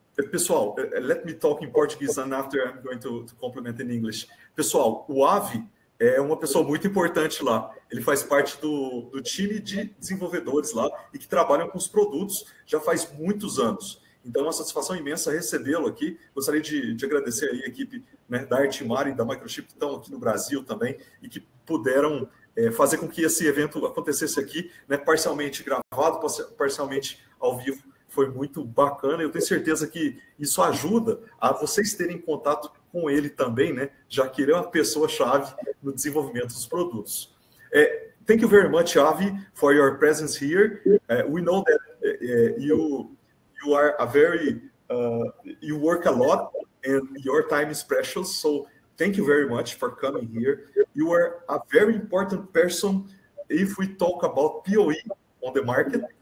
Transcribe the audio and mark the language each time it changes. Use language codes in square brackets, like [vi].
[pt] Pessoal, [en] let me talk in Portuguese and after I'm going to complement in English. [pt] Pessoal, o Avi é uma pessoa muito importante lá. Ele faz parte do time de desenvolvedores lá e que trabalham com os produtos já faz muitos anos. Então, é uma satisfação imensa recebê-lo aqui. Gostaria de agradecer aí a equipe, né, da Artmar e da Microchip que estão aqui no Brasil também e que puderam fazer com que esse evento acontecesse aqui, né, parcialmente gravado, parcialmente ao vivo. Foi muito bacana. Eu tenho certeza que isso ajuda a vocês terem contato com ele também, né? Já que ele é uma pessoa-chave no desenvolvimento dos produtos. [en] Thank you very much, Avi, for your presence here. We know that you are a very you work a lot and your time is precious. So thank you very much for coming here. You are a very important person if we talk about PoE on the market.